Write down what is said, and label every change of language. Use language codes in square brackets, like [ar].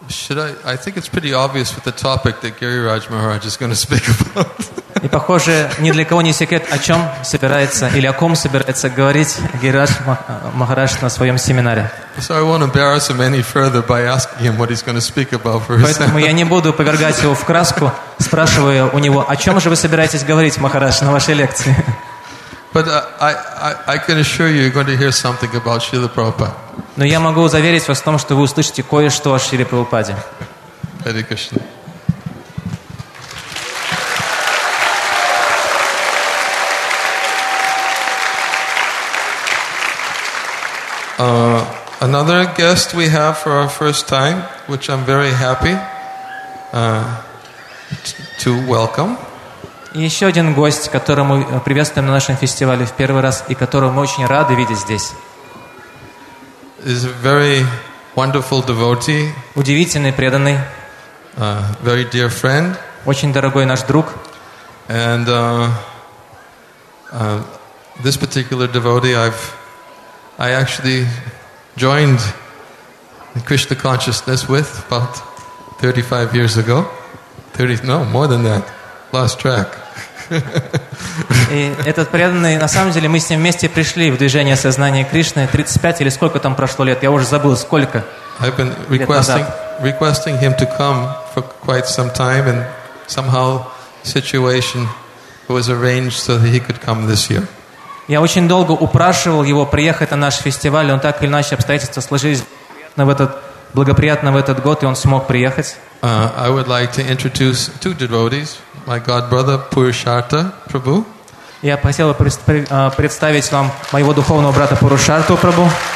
[en] I think it's pretty obvious with the topic that Gary Raj Maharaj is going to speak about. [ru] И похоже, ни для кого не секрет, о чем собирается или о ком собирается говорить Гири Радж Махарадж на своем семинаре. [en] So I won't embarrass him any further by asking him what he's going to speak about for his. [ru] Поэтому я не буду повергать его в краску, спрашивая у него, о чем же вы собираетесь говорить, Махарадж, на вашей лекции. [en] But I can assure you, you're going to hear something about Srila Prabhupada. [ru] Но я могу заверить вас в том, что вы услышите кое-что о Шриле Прабхупаде. [en] Hare Krishna. Another guest we have for our first time, which I'm very happy to welcome. [ru] Еще один гость, которого мы приветствуем на нашем фестивале в первый раз и которого мы очень рады видеть здесь. [en] Is a very wonderful devotee. [ru] Удивительный преданный. [en] Very dear friend. [ru] Очень дорогой наш друг. [en] And this particular devotee, I actually joined in Krishna consciousness with about 35 years ago. More than that. Lost track. [ru] И этот преданный, на самом деле, мы с ним вместе пришли в движение сознания Кришны 35 или сколько там прошло лет? Я уже забыл, сколько. [en] I've been requesting him to come for quite some time, and somehow situation was arranged so that he could come this year. [ru] Я очень долго упрашивал его приехать на наш фестиваль, он так или иначе обстоятельства сложились благоприятно в этот год, и он смог приехать. [en] I would like to introduce two devotees, my godbrother Purusharta Prabhu. [ru] Я хотел бы представить вам моего духовного брата Пурушарту Прабу.